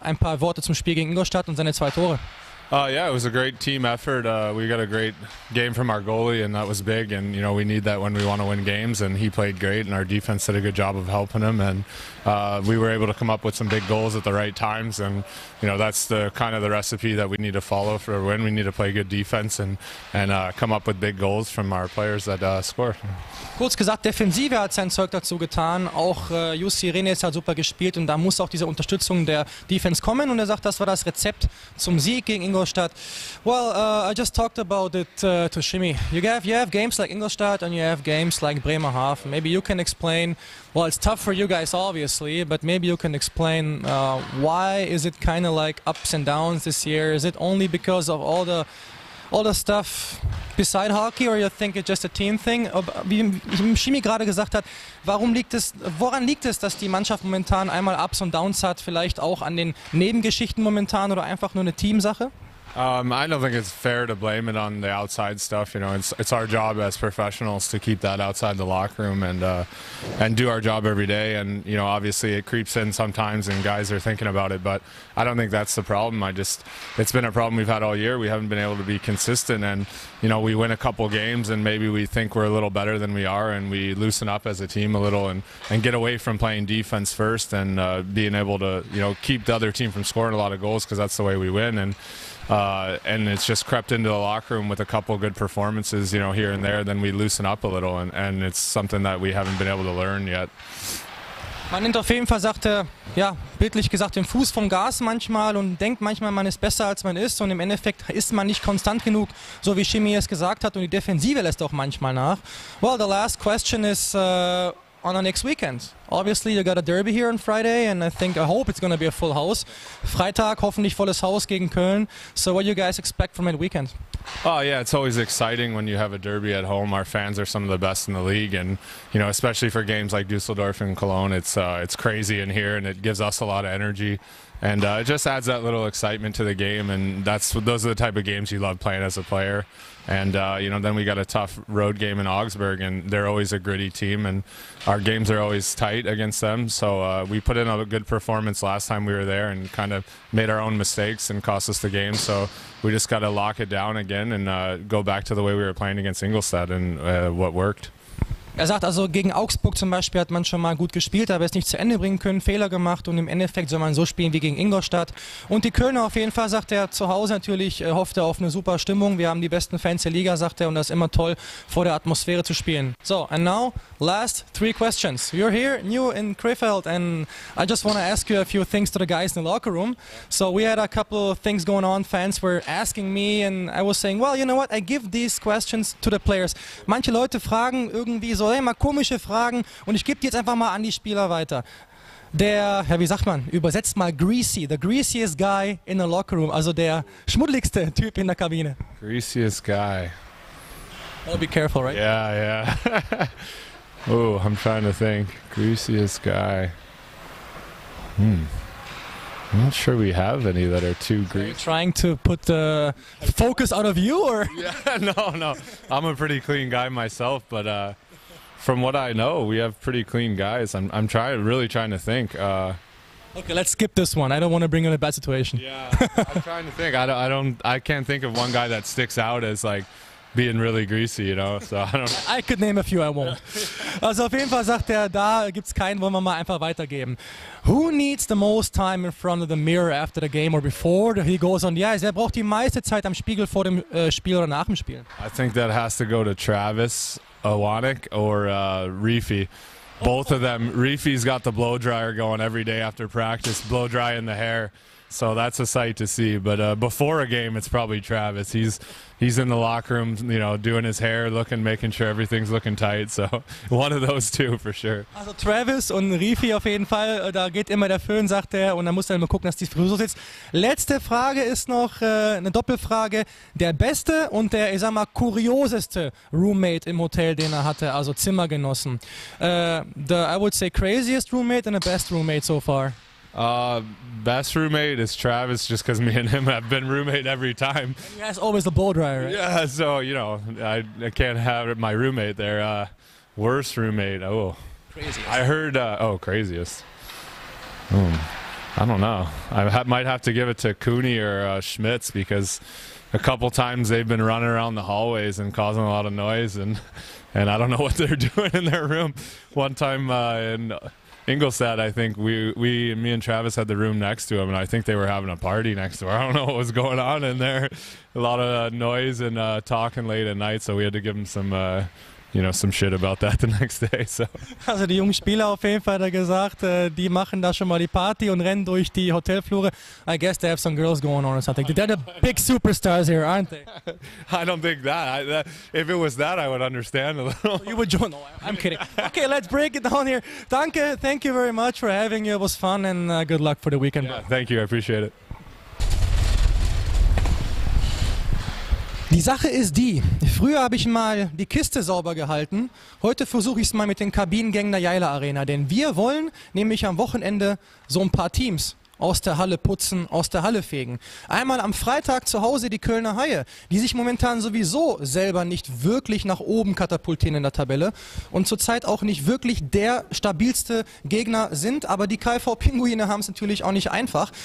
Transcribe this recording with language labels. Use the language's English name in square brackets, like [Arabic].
[German] Ein paar Worte zum Spiel gegen Ingolstadt und seine zwei Tore. [English] Yeah, it was a great team effort. We got a great game from our goalie and that was big. And, you know, we need that when we want to win games. And he played great and our defense did a good job of helping him. And we were able to come up with some big goals at the right times. And, you know, that's the kind of the recipe that we need to follow for a win. We need to play good defense and come up with big goals from our players that score. [German] Kurz gesagt, Defensive hat sein Zeug dazu getan. Auch Jussi Rinne hat super gespielt und da muss auch diese Unterstützung der Defense kommen. Und er sagt, das war das Rezept zum Sieg gegen Ingolstadt. [English] Well, I just talked about it to Szymi. You have games like Ingolstadt and you have games like Bremerhaven. Maybe you can explain, well, it's tough for you guys obviously, but maybe you can explain why is it kind of like ups and downs this year? Is it only because of all the stuff beside hockey or you think it's just a team thing? [German] Wie Szymi gerade gesagt hat, woran liegt es, dass die Mannschaft momentan einmal Ups und Downs hat, vielleicht auch an den Nebengeschichten momentan oder einfach nur eine Teamsache? [English] I don't think it's fair to blame it on the outside stuff. You know, it's our job as professionals to keep that outside the locker room and do our job every day. And, you know, obviously it creeps in sometimes and guys are thinking about it, but I don't think that's the problem. It's been a problem we've had all year. We haven't been able to be consistent and, you know, we win a couple games and maybe we think we're a little better than we are and we loosen up as a team a little and get away from playing defense first and being able to, you know, keep the other team from scoring a lot of goals because that's the way we win. And it's just crept into the locker room with a couple of good performances, you know, here and there. Then we loosen up a little, and it's something that we haven't been able to learn yet. [German] Man nimmt auf jeden Fall, sagte, ja, bildlich gesagt, den Fuß vom Gas manchmal und denkt manchmal, man ist besser als man ist. Und im Endeffekt ist man nicht konstant genug, so wie Shimi es gesagt hat. Und die Defensive lässt auch manchmal nach. [English] Well, the last question is on the next weekend. Obviously, you got a derby here on Friday, and I hope it's going to be a full house. [German] Freitag, hoffentlich volles Haus gegen Köln. [English] So what do you guys expect from that weekend? Oh, yeah, it's always exciting when you have a derby at home. Our fans are some of the best in the league, and, you know, especially for games like Dusseldorf and Cologne, it's crazy in here, and it gives us a lot of energy. And it just adds that little excitement to the game, and those are the type of games you love playing as a player. And, you know, then we got a tough road game in Augsburg, and they're always a gritty team, and our games are always tight against them. So we put in a good performance last time we were there and kind of made our own mistakes and cost us the game. So we just got to lock it down again and go back to the way we were playing against Ingolstadt and what worked. [German] Er sagt also, gegen Augsburg zum Beispiel hat man schon mal gut gespielt, aber es nicht zu Ende bringen können, Fehler gemacht und im Endeffekt soll man so spielen wie gegen Ingolstadt. Und die Kölner auf jeden Fall, sagt er, zu Hause natürlich hofft er auf eine super Stimmung. Wir haben die besten Fans der Liga, sagt er, und das ist immer toll, vor der Atmosphäre zu spielen. [English] So, and now, last three questions. You're here, new in Krefeld, and I just want to ask you a few things to the guys in the locker room. So we had a couple of things going on, fans were asking me, and I was saying, well, you know what, I give these questions to the players. [German] Manche Leute fragen irgendwie so, hey, mal komische Fragen und ich gebe die jetzt einfach mal an die Spieler weiter. Der, ja, wie sagt man, übersetzt mal [English] greasy, the greasiest guy in the locker room, [German] also der schmuddeligste Typ in der Kabine. [English] Greasiest guy. Oh, be careful, right? Yeah, yeah. Oh, I'm trying to think. Greasiest guy. I'm not sure we have any that are too greasy. Are you trying to put the focus out of you, or? Yeah, no. I'm a pretty clean guy myself, but from what I know, we have pretty clean guys. I'm really trying to think. Okay, let's skip this one. I don't want to bring in a bad situation. Yeah, I'm trying to think. I can't think of one guy that sticks out as like being really greasy, you know. So I don't. I could name a few. I won't. Yeah. [German] Also, auf jeden Fall sagt er, da gibt's keinen, wollen wir mal einfach weitergeben. [English] Who needs the most time in front of the mirror after the game or before? He goes on the ice. [German] Wer braucht die meiste Zeit am Spiegel vor dem Spiel oder nach dem Spiel? [English] I think that has to go to Travis Awanek or Reefy. Both of them. Reefy's got the blow dryer going every day after practice, blow drying the hair. So that's a sight to see. But before a game, it's probably Travis. He's in the locker room, you know, doing his hair, looking, making sure everything's looking tight. So one of those two for sure. [German] Also Travis und Reefy auf jeden Fall. Da geht immer der Föhn, sagt er. Und dann muss er immer gucken, dass die Frisur sitzt. Letzte Frage ist noch eine Doppelfrage. Der beste und der, ich sag mal, kurioseste Roommate im Hotel, den er hatte, also Zimmergenossen. [English] The, I would say, craziest roommate and the best roommate so far. Best roommate is Travis, just because me and him have been roommate every time. And he has always the blow dryer, right? Yeah, so, you know, I can't have my roommate there. Worst roommate, oh. Craziest. I heard, craziest. I don't know. I might have to give it to Cooney or Schmitz, because a couple times they've been running around the hallways and causing a lot of noise, and I don't know what they're doing in their room. One time in Ingolstadt, I think me and Travis had the room next to him, and I think they were having a party next door. I don't know what was going on in there. A lot of noise and talking late at night, so we had to give him some shit about that the next day. So. [German] Also die jungen Spieler auf jeden Fall, da gesagt, die machen da schon mal die Party und rennen durch die Hotelflure. [English] I guess they have some girls going on or something. They're the big superstars here, aren't they? I don't think that. If it was that, I would understand a little. You would join? No, I'm kidding. Okay, let's break it down here. Danke, thank you very much for having you. It was fun and good luck for the weekend. Yeah, thank you, I appreciate it. [German] Die Sache ist die, früher habe ich mal die Kiste sauber gehalten, heute versuche ich es mal mit den Kabinengängen der Jaila Arena, denn wir wollen nämlich am Wochenende so ein paar Teams aus der Halle putzen, aus der Halle fegen. Einmal am Freitag zu Hause die Kölner Haie, die sich momentan sowieso selber nicht wirklich nach oben katapultieren in der Tabelle und zurzeit auch nicht wirklich der stabilste Gegner sind, aber die KV-Pinguine haben es natürlich auch nicht einfach.